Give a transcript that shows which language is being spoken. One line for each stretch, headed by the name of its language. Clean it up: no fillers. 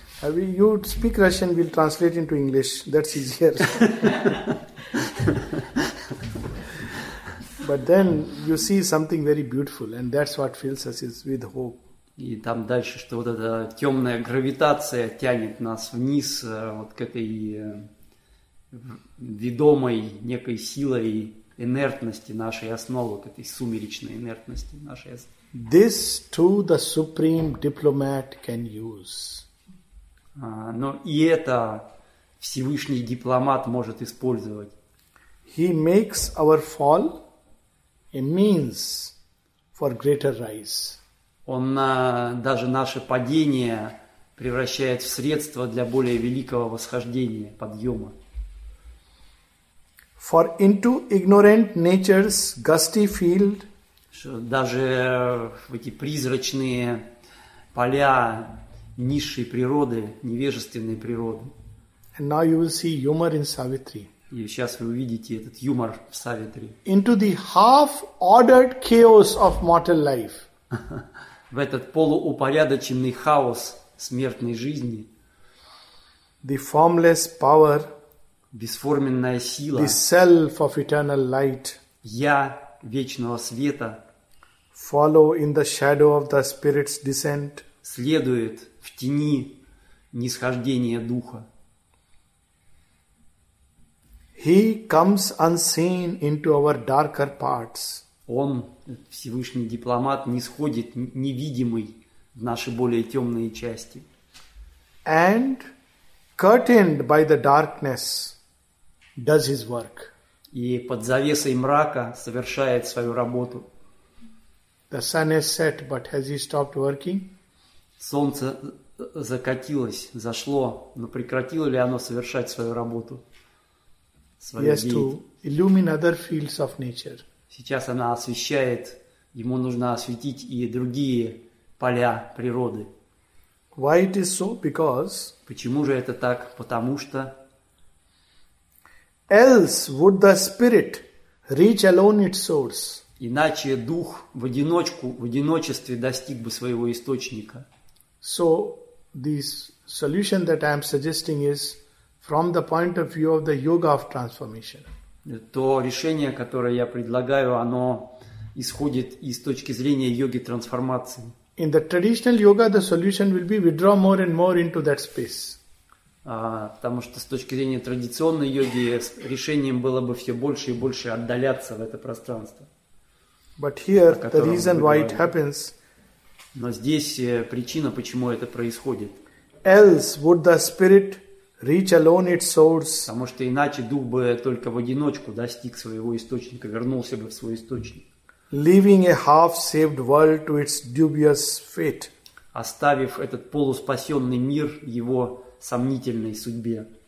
English: I mean, you speak Russian, we'll translate into English. That's easier. But then you see something very beautiful, and that's what fills us is with hope.
Russian: И там дальше, что вот эта темная гравитация тянет нас вниз, вот к этой ведомой некой силой инертности нашей основы, к этой сумеречной инертности нашей основы.
English: This too the supreme diplomat can use.
Russian: Но и это Всевышний дипломат может использовать.
English: He makes our fall a means for greater rise.
Russian: Он даже наше падение превращает в средство для более великого восхождения, подъема.
English: For into ignorant nature's gusty field,
Russian: что даже в эти призрачные поля низшей природы, невежественной природы.
English: And now you will see humor in Savitri.
Russian: И сейчас вы увидите этот юмор в Савитри.
English: Into the half-ordered chaos of mortal life.
Russian: В этот полуупорядоченный хаос смертной жизни.
English: The formless power.
Russian: Бесформенная сила.
English: The self of eternal light.
Russian: Я вечного света.
English: Follow in the shadow of the spirit's descent.
Russian: Следует в тени нисхождения духа.
English: He comes unseen into our darker parts.
Russian: Он, Всевышний дипломат, нисходит невидимый в наши более темные части.
English: And curtained by the darkness, does his work.
Russian: И под завесой мрака совершает свою работу.
English: The sun has set, but has he stopped working?
Russian: Солнце закатилось, зашло, но прекратило ли оно совершать свою работу?
English: He has to illumine other fields of nature.
Russian: Сейчас она освещает, ему нужно осветить и другие поля природы.
English: Why it is so? Because.
Russian: Почему же это так? Потому что.
English: Else would the spirit reach alone its source.
Russian: Иначе дух в одиночку, в одиночестве достиг бы своего источника.
English: So the solution that I am suggesting is from the point of view of the yoga of transformation.
Russian: То решение, которое я предлагаю, оно исходит из точки зрения йоги трансформации.
English: In the traditional yoga, the solution will be withdraw more and more into that space.
Russian: Потому что с точки зрения традиционной йоги решением было бы все больше и больше отдаляться в это пространство.
English: But here the reason why it happens.
Russian: Но здесь причина, почему это происходит.
English: Else would the spirit reach alone its source.
Russian: Потому что иначе дух бы только в одиночку достиг своего источника, вернулся бы в свой источник.
English: Leaving a half-saved world to its dubious fate.
Russian: Оставив этот полуспасенный мир его сомнительной судьбе.